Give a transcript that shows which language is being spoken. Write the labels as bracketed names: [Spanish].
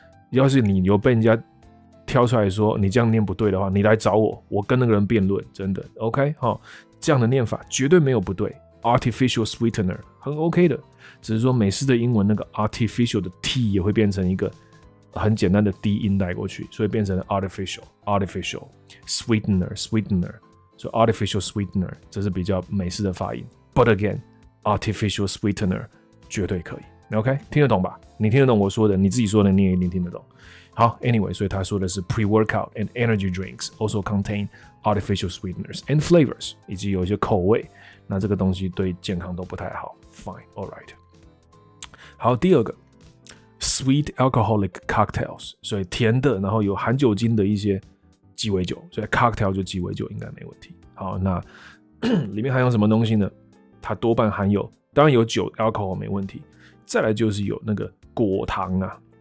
[Chinese] 要是你有被人家挑出来说你这样念不对的话，你来找我，我跟那个人辩论，真的 OK 哈，这样的念法绝对没有不对。 Artificial sweetener 很 OK 的，只是说美式的英文那个 artificial 的 T 也会变成一个很简单的 D 音带过去，所以变成 artificial sweetener， 所以 artificial sweetener 这是比较美式的发音。 But again， artificial sweetener 绝对可以。 OK， 听得懂吧？你听得懂我说的，你自己说的你也一定听得懂。好 ，Anyway， 所以他说的是 [English] pre-workout and energy drinks also contain artificial sweeteners and flavors， [Chinese] 以及有一些口味。那这个东西对健康都不太好。Fine，All right。好，第二个 ，sweet alcoholic cocktails， 所以甜的，然后有含酒精的一些鸡尾酒，所以 cocktail 就鸡尾酒应该没问题。好，那里面含有什么东西呢？它多半含有，当然有酒 alcohol 没问题，再来就是有那个果糖啊。